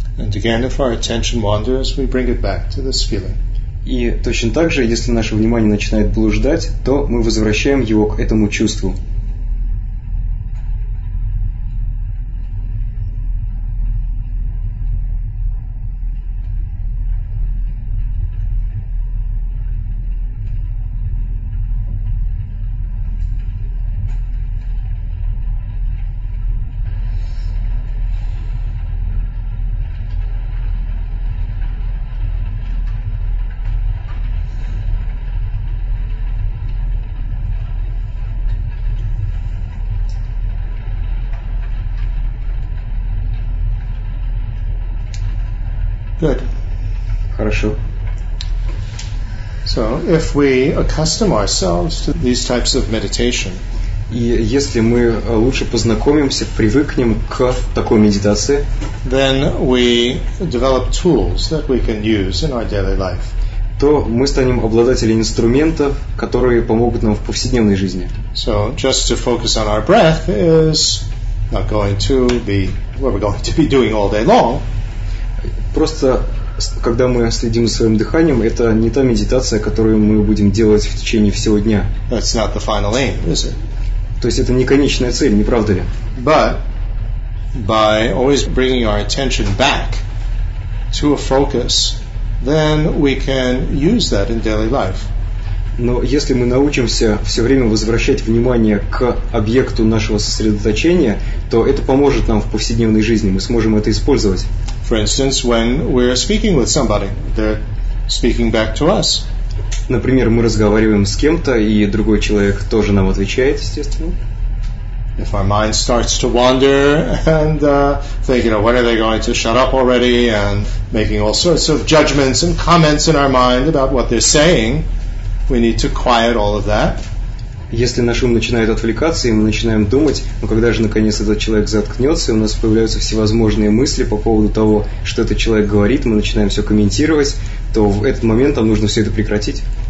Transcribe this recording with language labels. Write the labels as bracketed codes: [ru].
[en] Again, if our attention wanders, we bring it back to this feeling. [ru] И точно так же, если наше внимание начинает блуждать, то мы возвращаем его к этому чувству. [en] Good. [ru] Хорошо. [en] So, if we accustom ourselves to these types of meditation, [ru] и если мы лучше познакомимся, привыкнем к такой медитации, [en] then we develop tools that we can use in our daily life. [ru] То мы станем обладателями инструментов, которые помогут нам в повседневной жизни. [en] So, just to focus on our breath is not going to be what we're going to be doing all day long. [ru] Просто, когда мы следим за своим дыханием, это не та медитация, которую мы будем делать в течение всего дня. [en] That's not the final aim, is it? [ru] То есть это не конечная цель, не правда ли? [en] But by always bringing our attention back to a focus, then we can use that in daily life. [ru] Но если мы научимся все время возвращать внимание к объекту нашего сосредоточения, то это поможет нам в повседневной жизни, мы сможем это использовать. [en] For instance, when we're speaking with somebody, they're speaking back to us. [ru] Например, мы разговариваем с кем-то, и другой человек тоже нам отвечает, естественно. [en] If our mind starts to wander and think, you know, what are they going to shut up already, and making all sorts of judgments and comments in our mind about what they're saying, we need to quiet all of that. [ru] Если наш ум начинает отвлекаться, и мы начинаем думать, ну когда же наконец этот человек заткнется, и у нас появляются всевозможные мысли по поводу того, что этот человек говорит, мы начинаем все комментировать, то в этот момент нам нужно все это прекратить.